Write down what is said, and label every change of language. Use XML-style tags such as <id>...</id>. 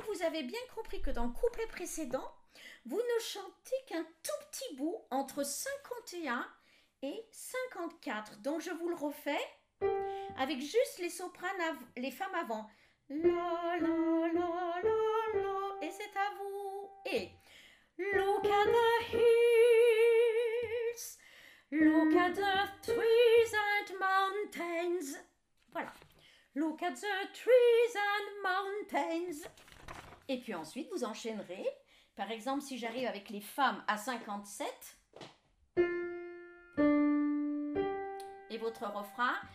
<fr>Bien compris que dans le couplet précédent, vous ne chantez qu'un tout petit bout entre 51 et 54. Donc je vous le refais avec juste les sopranes, les femmes avant. La la la la la, et c'est à vous.</fr> <en>Et look at the hills, look at the trees and mountains. Voilà. Look at the trees and mountains.</en> <fr>Et puis ensuite, vous enchaînerez. Par exemple, si j'arrive avec les femmes à 57. Et votre refrain.</fr>